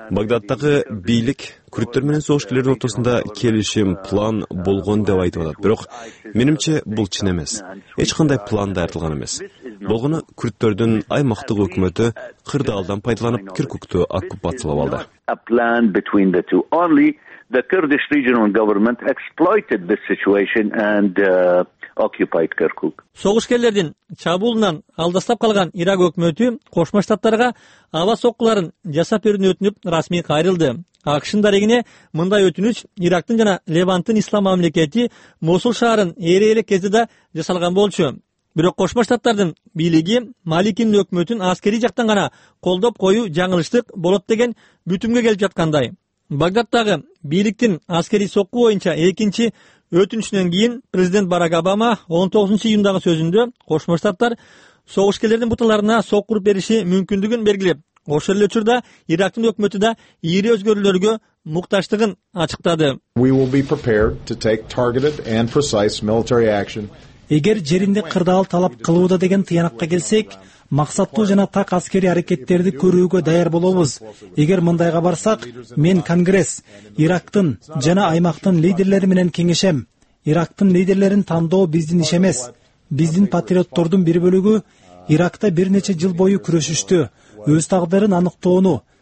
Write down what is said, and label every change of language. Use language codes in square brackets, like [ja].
[ky] Багдаддагы бийлик күрдтөр менен согушкерлердин ортосунда келишим план болгон деп айтып атат. Бирок менимче бул чын эмес. Эч кандай план даярдалган эмес. Болгону күрдтөрдүн аймактык өкмөтү кырдаалдан пайдаланып Киркукту оккупациялап алды. [en] The Kurdish regional government exploited this situation and occupied Kirkuk. [ky] Согушкерлердин чабуулунан алдастап калган Ирак өкмөтү Кошмо Штаттарга аба соккуларын жасап берүүнү өтүнүп расмий кайрылды. АКШ'ын дарегине мындай өтүнүч Ирактын жана Левантын ислам мамлекети Мосул шаарын ээрей эле кезде да жасалган болчу. Бирок Кошмо Штаттардын бийлиги Маликинин өкмөтүн аскерий жактан гана колдоп коюу жаңылыштык болот деген бүтүмгө келип жаткандай. Багдаддагы бийликтин аскерий сокку боюнча экинчи өтүнүчүнөн кийин президент Барак Обама 19 июндагы сөзүндө Кошмо Штаттар согушкерлердин буталарына сокку уруп бериши мүмкүндүгүн белгилеп, ошол эле учурда Ирактын өкмөтү да ири өзгөрүүлөргө муктаждыгын ачыктады. [en] We will be prepared to take targeted and precise military action. [ky] Эгер жеринде кырдаал талап кылууда деген тыянакка келсек, максаттуу жана так аскерий аракеттерди көрүүгө даяр болобуз. Эгер мындайга барсак, мен Конгресс, Ирактын жана аймактын лидерлери менен кеңешем. Ирактын лидерлерин тандоо биздин иш эмес. Биздин патриоттордун бир бөлүгү Иракта бир нече жыл бою күрөшүштү. Өз тагдырын аныктоону,